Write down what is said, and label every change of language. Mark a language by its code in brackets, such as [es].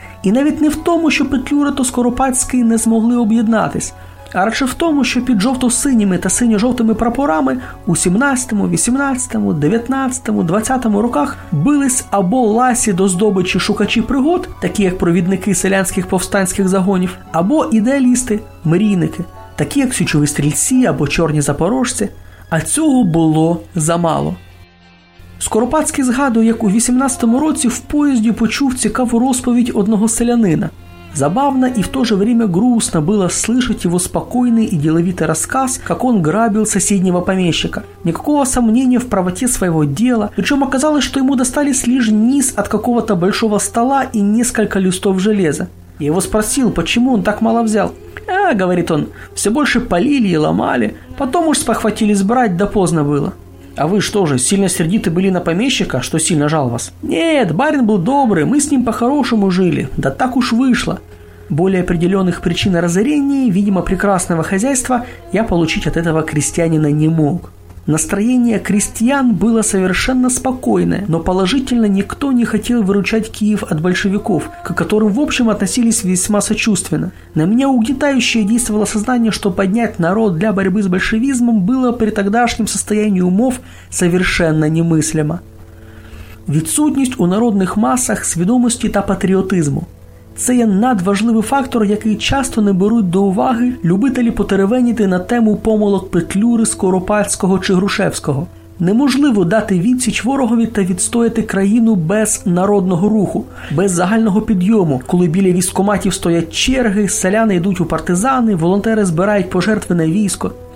[uk] І навіть не в тому, що Петлюра та Скоропадський не змогли об'єднатись, а радше в тому, що під жовто-синіми та синьо-жовтими прапорами у 17-му, 18-му, 19-му, 20-му роках бились або ласі до здобичі шукачі пригод, такі як провідники селянських повстанських загонів, або ідеалісти, мрійники, такі як січові стрільці або чорні запорожці, а цього було замало. Скоропадський згадує, як у 18-му році в поїзді почув цікаву розповідь одного селянина. [ru] Забавна і в то же время грустно было слышать его спокойный и деловитый рассказ, как он грабил соседнего помещика. Никакого сомнения в правоте своего дела, причем оказалось, что ему достались лишь низ от какого-то большого стола и несколько листов железа. Я его спросил, почему он так мало взял. «А, — говорит он, — все больше полили и ломали, потом уж спохватились брать, да поздно было». «А вы что же, сильно сердиты были на помещика, что сильно жал вас?» «Нет, барин был добрый, мы с ним по-хорошему жили, да так уж вышло». Более определенных причин разорения, видимо, прекрасного хозяйства, я получить от этого крестьянина не мог. Настроение крестьян было совершенно спокойное, но положительно никто не хотел выручать Киев от большевиков, к которым в общем относились весьма сочувственно. На меня угнетающее действовало сознание, что поднять народ для борьбы с большевизмом было при тогдашнем состоянии умов совершенно немыслимо. [uk] Відсутність у народних масах свідомості та патріотизму. Це є надважливий фактор, який часто не беруть до уваги любителі потеревеніти на тему помилок Петлюри, Скоропадського чи Грушевського. Неможливо дати відсіч ворогові та відстояти країну без народного руху, без загального підйому, коли біля військкоматів стоять черги, селяни йдуть у партизани, волонтери збирають пожертви на військо.